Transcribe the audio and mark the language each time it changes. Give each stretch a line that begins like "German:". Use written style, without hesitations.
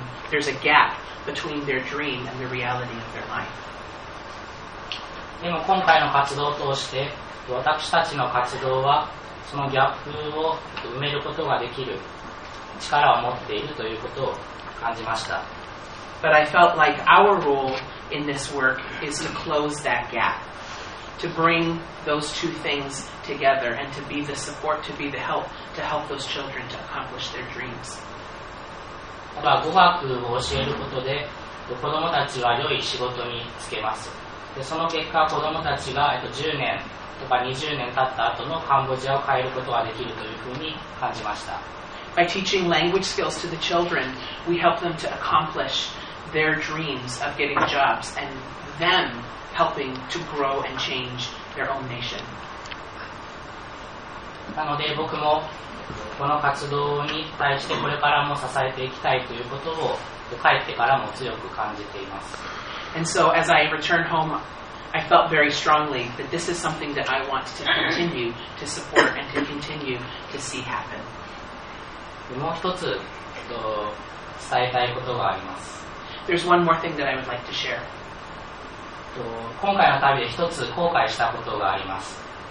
English: There's a gap between their dream and the reality of their life.
Japanese: でも今回の活動を通して、私たちの活動はそのギャップを埋めることができる力を持っているということを感じました。
English: But I felt like our role in this work is to close that gap, to bring those two things together and to be the support, to be the help, to help those children to accomplish their dreams.
Japanese: ただ語学を教えることで、子どもたちは良い仕事に就けます。でその結果子どもたちが10年とか20年経った後のカンボジアを変えることができるというふうに感じました。
English: By teaching language skills to the children, we help them to accomplish their dreams of getting jobs and them helping to grow and change their own nation.
Japanese: なので僕もこの活動に対してこれからも支えていきたいということを帰ってからも強く感じています。
English: And so as I returned home, I felt very strongly that this is something that I want to continue to support and to continue to see happen.
Japanese: もう一つ伝えたいことがあります。
English: There's one more thing that I would like to share.
Japanese: 今回の旅で一つ後悔したことがあります。